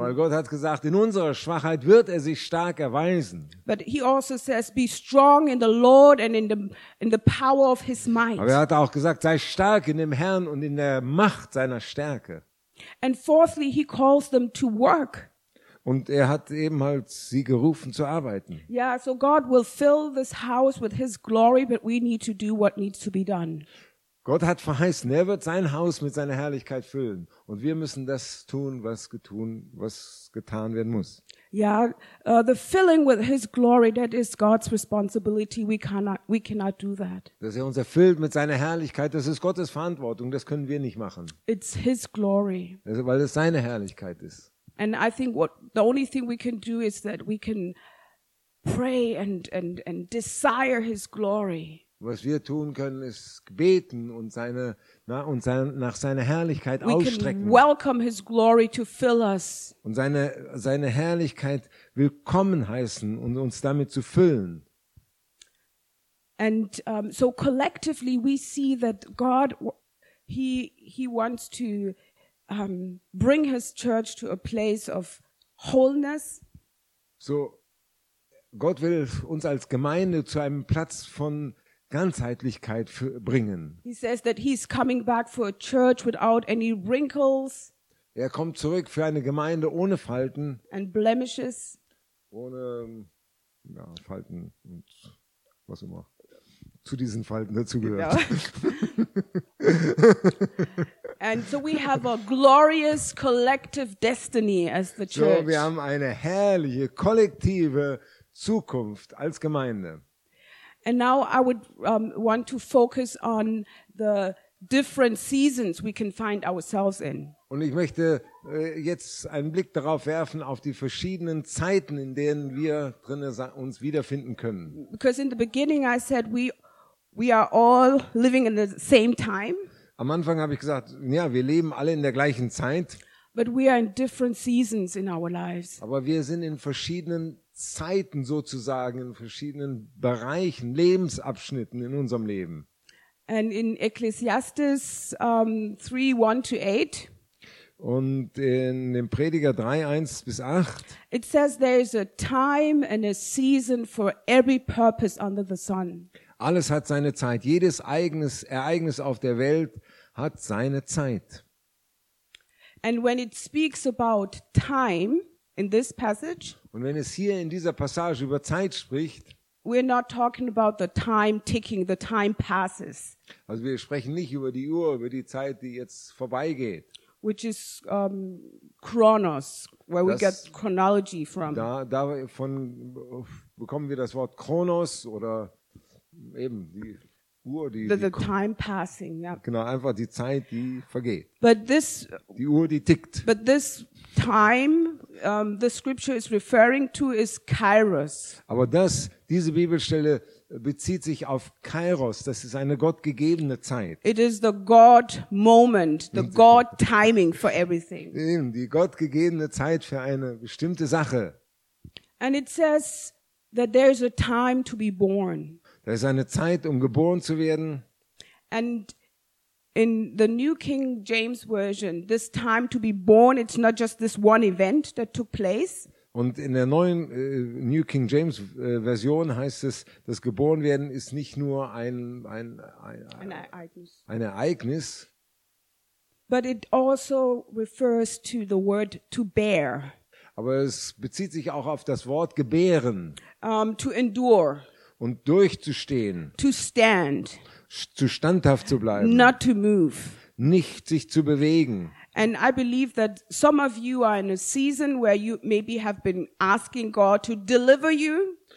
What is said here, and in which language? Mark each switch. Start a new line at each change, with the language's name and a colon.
German: Weil Gott hat gesagt, in unserer Schwachheit wird er sich stark erweisen.
English: But he also says, be strong in the Lord and in the power of his might.
German: Aber er hat auch gesagt, sei stark in dem Herrn und in der Macht seiner Stärke.
English: And fourthly, he calls them to work.
German: Und er hat eben halt sie gerufen zu arbeiten.
English: Yeah, so God will fill this house with his glory, but we need to do what needs to be done.
German: Gott hat verheißen, er wird sein Haus mit seiner Herrlichkeit füllen, und wir müssen das tun, was getan werden muss.
English: Yeah, the filling with his glory, that is God's responsibility. We cannot do that.
German: Dass er uns erfüllt mit seiner Herrlichkeit, das ist Gottes Verantwortung, das können wir nicht machen.
English: It's his glory.
German: Also, weil es seine Herrlichkeit ist.
English: And I think what the only thing we can do is that we can pray and desire his glory.
German: Was wir tun können, ist beten und nach seiner Herrlichkeit ausstrecken.
English: We can welcome his glory to fill us.
German: Und seine Herrlichkeit willkommen heißen und uns damit zu füllen.
English: And so collectively we see that God he wants to bring his church to a place of wholeness.
German: So Gott will uns als Gemeinde zu einem Platz von Ganzheitlichkeit bringen.
English: He says that he's coming back for a church without any wrinkles.
German: Er kommt zurück für eine Gemeinde ohne Falten.
English: And blemishes.
German: Ohne Falten und was immer zu diesen Falten dazugehört. Genau.
English: And so we have a glorious collective destiny as the church.
German: So, wir haben eine herrliche kollektive Zukunft als Gemeinde.
English: And now I would want to focus on the different seasons we can find ourselves in.
German: Und ich möchte jetzt einen Blick darauf werfen, auf die verschiedenen Zeiten, in denen wir drinne uns wiederfinden können.
English: Because in the beginning I said we are all living in the same time.
German: Am Anfang habe ich gesagt, ja, wir leben alle in der gleichen Zeit.
English: But we are in different seasons in our lives.
German: Aber wir sind in verschiedenen Zeiten sozusagen, in verschiedenen Bereichen, Lebensabschnitten in unserem Leben.
English: And in Ecclesiastes 3:1-8.
German: Und in dem Prediger 3:1-8.
English: It says there is a time and a season for every purpose under the sun.
German: Alles hat seine Zeit. Jedes eigenes Ereignis auf der Welt hat seine Zeit.
English: And when it speaks about time, in this passage,
German: und wenn es hier in dieser Passage über Zeit spricht,
English: we're not talking about the time ticking, the time passes.
German: Also wir sprechen nicht über die Uhr, über die Zeit, die jetzt vorbeigeht.
English: Which is Chronos, where das, we get chronology from.
German: Da von bekommen wir das Wort Chronos oder eben die Uhr,
English: the time passing. Yeah.
German: Genau, einfach die Zeit, die vergeht.
English: But this,
German: die Uhr, die tickt.
English: But this time, the scripture is referring to is Kairos.
German: Aber diese Bibelstelle bezieht sich auf Kairos. Das ist eine gottgegebene Zeit.
English: It is the God moment, the God timing for everything.
German: Die gottgegebene Zeit für eine bestimmte Sache.
English: And it says that there is a time to be born.
German: Da ist eine Zeit, um geboren zu werden.
English: And in the New King James Version, this time to be born, it's not just this one event that took place.
German: Und in der neuen New King James Version heißt es, das Geborenwerden ist nicht nur ein Ereignis. Ein Ereignis.
English: But it also refers to the word to bear.
German: Aber es bezieht sich auch auf das Wort gebären.
English: To endure.
German: Und durchzustehen.
English: To stand.
German: Zu standhaft zu bleiben.
English: Not to move.
German: Nicht sich zu bewegen.
English: And I believe that some of you are in a season where you maybe have been asking God to deliver you.